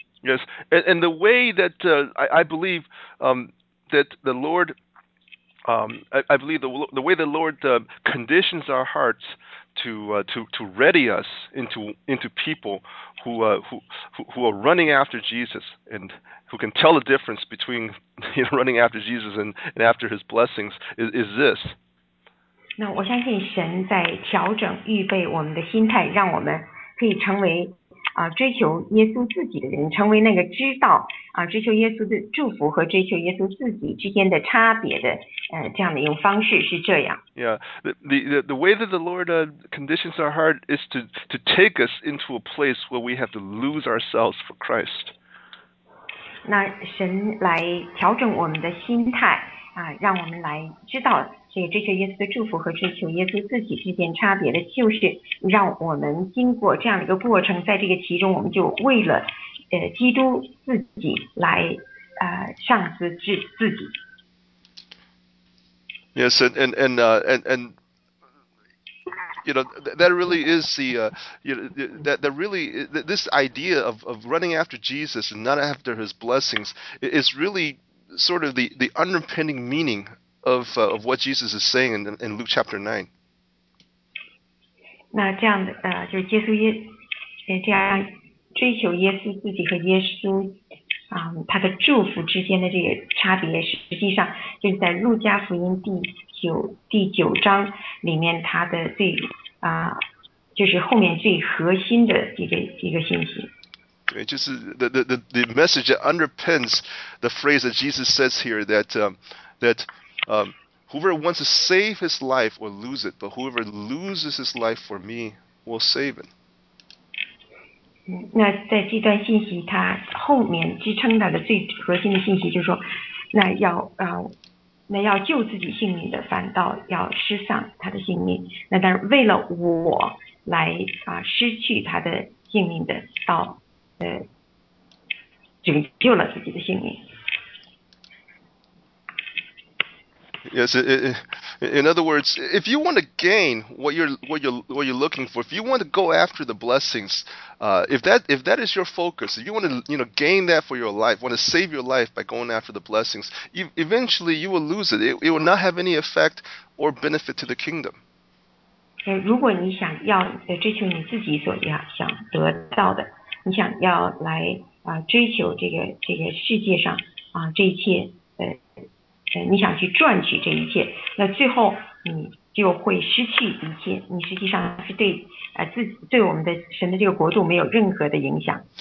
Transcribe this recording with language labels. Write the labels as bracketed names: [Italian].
[English] Yes, and the way that I believe that the Lord, I believe the way the Lord conditions our hearts to ready us into people who are running after Jesus and who can tell the difference between running after Jesus and after His blessings is this. [Chinese] 那我相信神在调整预备我们的心态，让我们可以成为。追求耶稣自己的人，成为那个知道追求耶稣的祝福和追求耶稣自己之间的差别的这样的一种方式是这样。 [English] Yeah, the way that the Lord conditions our heart is to take us into a place where we have to lose ourselves for Christ. [Chinese] 那神来调整我们的心态让我们来知道这个追求耶稣的祝福和追求耶稣自己之间差别的，就是让我们经过这样的一个过程，在这个其中，我们就为了基督自己来上司自己。 [English] Yes, and you know that really is the this idea of running after Jesus and not after His blessings is really sort of the underpinning meaning of what Jesus is saying in Luke chapter 9. [Chinese] 那这样的就是耶稣这样追求耶稣自己和耶稣他的祝福之间的这个差别，实际上就是在路加福音第九章里面他的最就是后面最核心的一个信息。 [English] It just the message that underpins the phrase that Jesus says here that whoever wants to save his life will lose it, but whoever loses his life for me will save it. [Chinese] 那在这段信息它后面支撑它的最核心的信息就是说，那要救自己性命的反倒要失丧他的性命，那但是为了我来失去他的性命的道。拯救了自己的性命。 [English] Yes, in other words, if you want to gain what you're looking for, if you want to go after the blessings, if that is your focus, if you want to gain that for your life, want to save your life by going after the blessings, eventually you will lose it. It will not have any effect or benefit to the kingdom. [Chinese] 如果你想要追求你自己所想得到的。你想要来追求这个世界上这一切你想去赚取这一切，那最后你就会失去一切，你实际上是对自己对我们的神的这个国度没有任何的影响。